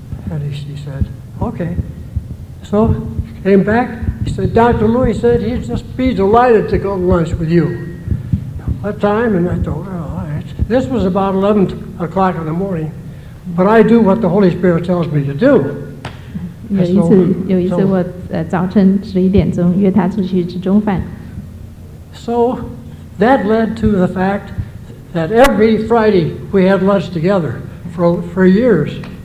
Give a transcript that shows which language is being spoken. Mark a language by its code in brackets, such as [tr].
[en] And he said, okay. So came back, he said, Dr. Louis said he'd just be delighted to go to lunch with you. What time? And I thought, well, this was about 11 o'clock in the morning, but I do what the Holy Spirit tells me to do. [zh] 有一次我早晨11点钟约他出去吃中饭。 [en] So that led to the fact that every Friday we had lunch together for years.